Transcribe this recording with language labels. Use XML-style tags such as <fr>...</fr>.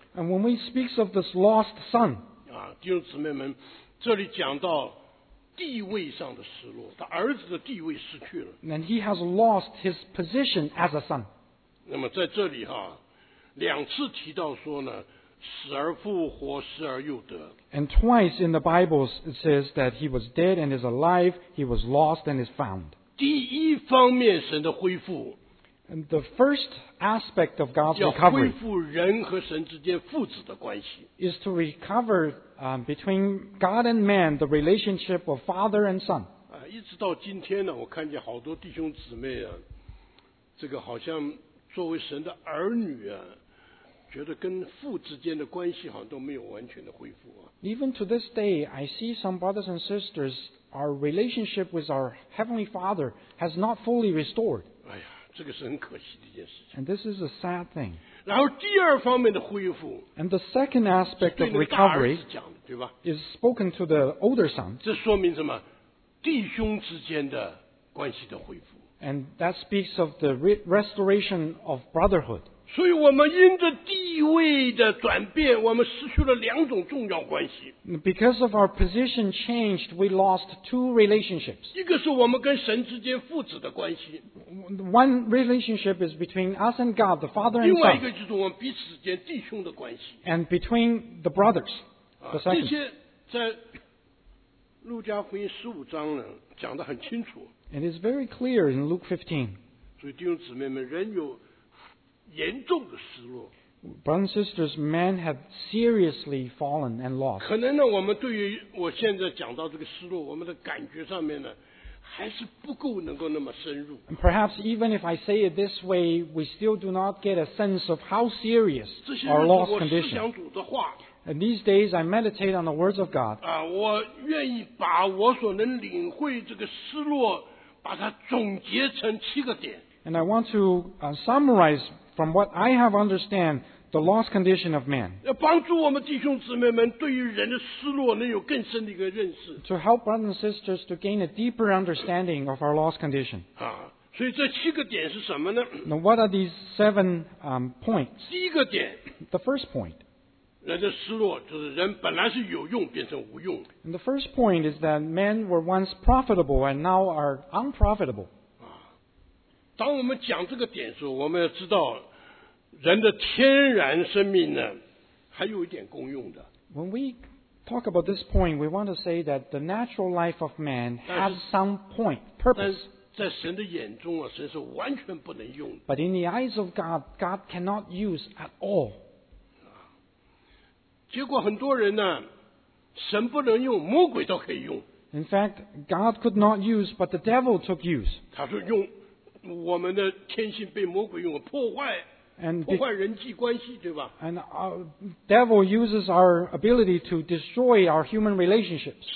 <en>And when we speak of this lost son,</en> <zh>弟兄姊妹们，这里讲到地位上的失落，他儿子的地位失去了。</zh> <en>And he has lost his position as a son.</en> <zh>那么在这里哈，两次提到说呢，死而复活，死而又得。</zh> <en>And twice in the Bible it says that he was dead and is alive, he was lost and is found.</en> <zh>第一方面神的恢复。</zh> <en>And the first aspect of God's recovery</en> <zh>要恢复人和神之间父子的关系。</zh> <en>Is to recover between God and man the relationship of father and son.</en> <zh>一直到今天呢，我看见好多弟兄姊妹啊，这个好像作为神的儿女啊，觉得跟父之间的关系好像都没有完全的恢复啊。</zh> <en>Even to this day, I see some brothers and sisters, our relationship with our heavenly Father has not fully restored.</en> <zh>哎呀，这个是很可惜的一件事情。</zh> <en>And this is a sad thing.</en> <zh>然后第二方面的恢复。</zh> <en>And the second aspect of recovery</en> <zh>是讲的，对吧？</zh> <en>Is spoken to the older son.</en> <zh>这说明什么？弟兄之间的关系的恢复。</zh> <en>And that speaks of the restoration of brotherhood.</en> <zh>所以我们因着地位的转变，我们失去了两种重要关系。</zh> <en>Because of our position changed, we lost two relationships.</en> <zh>一个是我们跟神之间父子的关系。</zh> <en>One relationship is between us and God, the Father and Son.</en> <zh>另外一个就是我们彼此之间弟兄的关系。</zh> <en>And between the brothers, the second.</en> <zh>这些在路加福音十五章呢讲得很清楚。</zh> <en>And it's very clear in Luke 15.</en> <zh>所以弟兄姊妹们，人有严重的失落。</zh> <en>Brothers and sisters, men have seriously fallen and lost.</en> <zh>可能呢，我们对于我现在讲到这个失落，我们的感觉上面呢，还是不够能够那么深入。</zh> <en>And perhaps even if I say it this way, we still do not get a sense of how serious our lost condition. And these days, I meditate on the words of God.</en> <zh>我愿意把我所能领会这个失落，把它总结成七个点。</zh> <en>And I want to summarize from what I have understand the lost condition of man.</en> <zh>帮助我们弟兄姊妹们对于人的失落能有更深的一个认识。</zh> <en>To help brothers and sisters to gain a deeper understanding of our lost condition.</en> <zh>所以这七个点是什么呢？</zh> <en>Now, what are these seven points?</en> <zh>第一个点。</zh> <en>The first point.</en> <zh>人的失落就是人本来是有用变成无用。</zh> <en>And the first point is that men were once profitable and now are unprofitable.</en> <zh>当我们讲这个点的时候，我们要知道人的天然生命呢还有一点功用的。</zh> <en>When we talk about this point, we want to say that the natural life of man has some point, purpose.</en> <zh>在神的眼中啊，神是完全不能用的。</zh> <en>But in the eyes of God, God cannot use at all.</en> <zh>结果很多人呢，神不能用，魔鬼都可以用。</zh> <en>In fact, God could not use, but the devil took use.</en> <zh>他说用我们的天性被魔鬼用了破坏</zh> <en>and</en> <zh>破坏人际关系，对吧</zh> <en>？And our devil uses our ability to destroy our human relationships.</en>